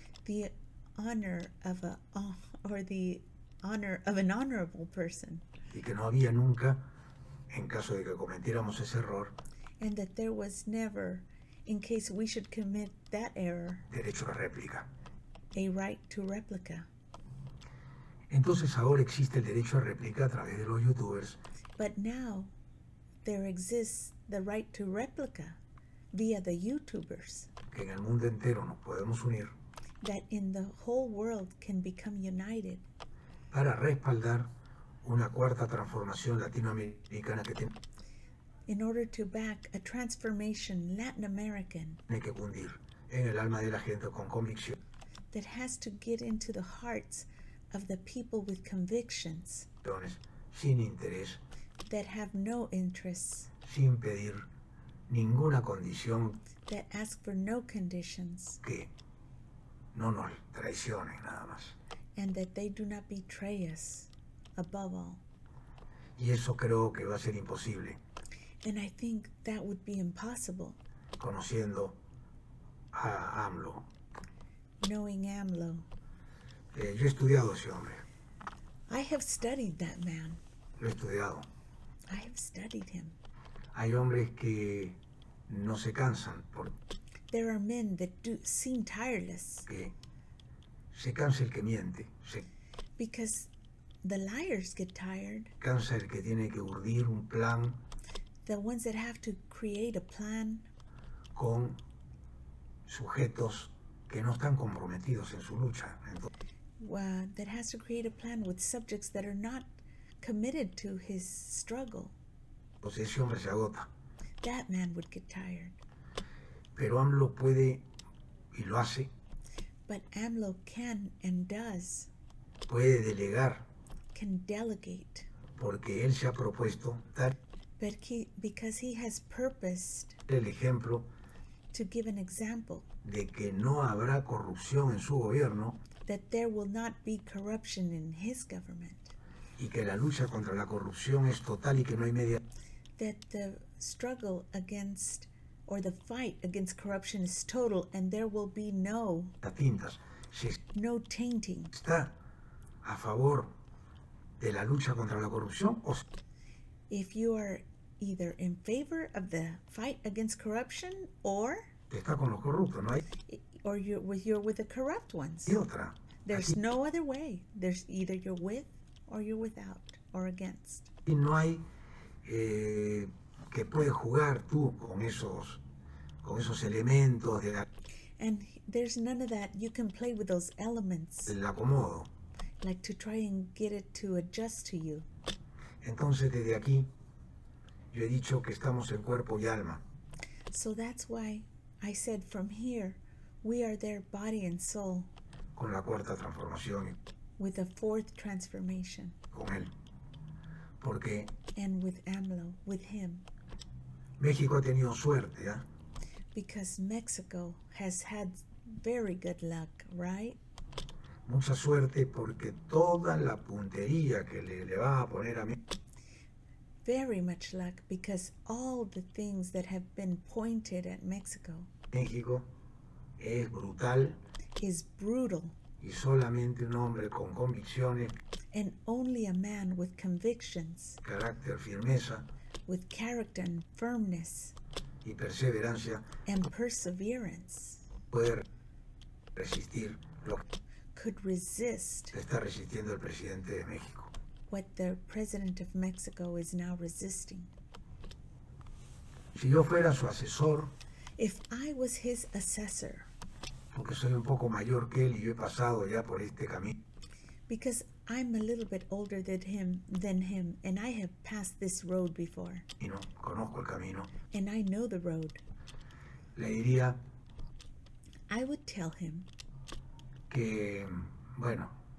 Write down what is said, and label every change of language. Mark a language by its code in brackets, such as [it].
[en] The honor of a or the honor of an honorable person, [es] y que no había nunca. En caso de que cometiéramos ese error, [en] and that there was never, in case we should commit that error, [es] derecho a réplica, [en] a right to replica. [es] Entonces ahora existe el derecho a réplica a través de los youtubers. [en] But now there exists the right to replica via the youtubers. [es] Que en el mundo entero nos podemos unir. [en] That in the whole world can become united. [es] Para respaldar una cuarta transformación latinoamericana que tiene [en] in order to back a transformation Latin American [es] tiene que cundir en el alma de la gente con convicción [en] that has to get into the hearts of the people with convictions [es] sin interés [en] that have no interests [es] sin pedir ninguna condición [en] that ask for no conditions [es] que no nos traicionen nada más [en] and that they do not betray us above all. [es] Y eso creo que va a ser imposible. [en] And I think that would be impossible. [es] Conociendo a AMLO. [en] Knowing AMLO. [es] Yo he estudiado a ese hombre. [en] I have studied that man. [es] Lo he estudiado. [en] I have studied him. [es] Hay hombres que no se cansan por. [en] There are men that do seem tireless. [es] Que se cansa el que miente. Se. [en] Because the liars get tired. [es] Cansa el que tiene que urdir un plan. [en] The ones that have to create a plan. [es] Con sujetos que no están comprometidos en su lucha. Entonces, [en] well, that has to create a plan with subjects that are not committed to his struggle. [es] Entonces ese hombre se agota. [en] That man would get tired. [es] Pero AMLO puede y lo hace. [en] But AMLO can and does. [es] Puede delegar. [en] Can delegate. [es] Porque él se ha propuesto dar. [en] But he, because he has purposed. [es] El ejemplo. [en] To give an example. [es] De que no habrá corrupción en su gobierno. [en] That there will not be corruption in his government. [es] Y que la lucha contra la corrupción es total y que no hay media. [en] That the struggle against, or the fight against corruption is total and there will be no. [es] Tintas. Si es, [en] no tainting. [es] Está a favor de la lucha contra la corrupción. O [en] if you are either in favor of the fight against corruption or. [es] Está con los corruptos, ¿no hay? [en] Or you're with the corrupt ones. [es] Y otra. [en] There's no other way. There's either you're with or you're without or against. [es] Y no hay que puede jugar tú con esos elementos de la. [en] And there's none of that. You can play with those elements. [es] El acomodo. [en] Like to try and get it to adjust to you. [es] Entonces desde aquí yo he dicho que estamos en cuerpo y alma. [en] So that's why I said from here. We are their body and soul. [es] Con la cuarta transformación. [en] With the fourth transformation. [es] Con él. Porque. [en] And with AMLO, with him. [es] México ha tenido suerte, ¿eh? [en] Because Mexico has had very good luck, right? [es] Mucha suerte porque toda la puntería que le va a poner a mí. [en] Very much luck because all the things that have been pointed at Mexico. [es] México. Es brutal. [en] Is brutal. [es] Y solamente un hombre con convicciones. [en] And only a man with convictions. [es] Carácter, firmeza. [en] With character and firmness. [es] Y perseverancia. [en] And perseverance. [es] Poder resistir lo que. [en] Could resist. [es] Está resistiendo el presidente de México. [en] What the president of Mexico is now resisting. [es] Si yo fuera su asesor. [en] If I was his assessor. [es] Porque soy un poco mayor que él y yo he pasado ya por este camino. [en] Because I'm a little bit older than him and I have passed this road before. [es] Y no, conozco el camino. [en] And I know the road. [es] Le diría. [en] I would tell him. [es] Que, bueno.